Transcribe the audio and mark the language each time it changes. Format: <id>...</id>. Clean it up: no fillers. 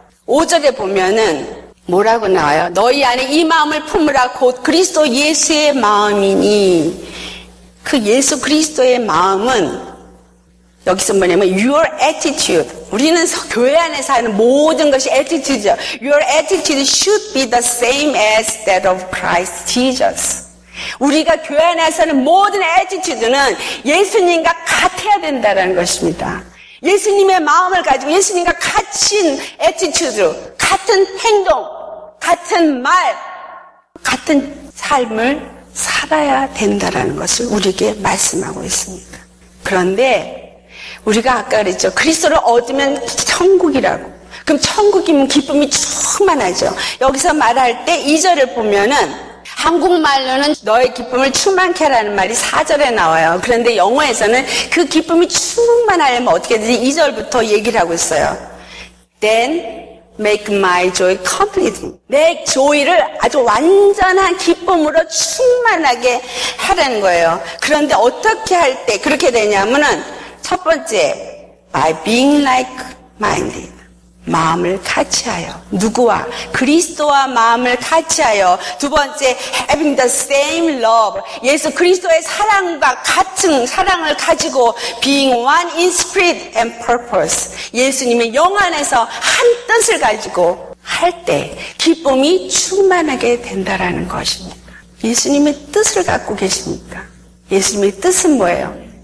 <ko>5절에 보면은 뭐라고 나와요? 너희 안에 이 마음을 품으라 곧 그리스도 예수의 마음이니 그 예수 그리스도의 마음은 여기서 뭐냐면</ko> <en>your attitude.</en> <ko>우리는 교회 안에서 하는 모든 것이 attitude죠.</ko> <en>Your attitude should be the same as that of Christ Jesus.</en> <ko>우리가 교회 안에서 하는 모든 attitude는 예수님과 같아야 된다는 것입니다. 예수님의 마음을 가지고 예수님과 같은 attitude, 같은 행동, 같은 말, 같은 삶을 살아야 된다는 것을 우리에게 말씀하고 있습니다. 그런데 우리가 아까 그랬죠. 그리스도를 얻으면 천국이라고. 그럼 천국이면 기쁨이 충만하죠. 여기서 말할 때 2절을 보면은 한국말로는 너의 기쁨을 충만케 하라는 말이 4절에 나와요. 그런데 영어에서는 그 기쁨이 충만하려면 어떻게 되지? 2절부터 얘기를 하고 있어요.</ko> <en>Then make my joy complete.</en> <ko>내 조이를 아주 완전한 기쁨으로 충만하게 하라는 거예요. 그런데 어떻게 할 때 그렇게 되냐면은 첫 번째,</ko> <en>by being like-minded.</en> <ko>마음을 같이하여. 누구와? 그리스도와 마음을 같이하여. 두 번째,</ko> <en>having the same love.</en> <ko>예수 그리스도의 사랑과 같은 사랑을 가지고</ko> <en>being one in spirit and purpose.</en> <ko>예수님의 영 안에서 한 뜻을 가지고 할 때 기쁨이 충만하게 된다라는 것입니다. 예수님의 뜻을 갖고 계십니까? 예수님의 뜻은 뭐예요?</ko>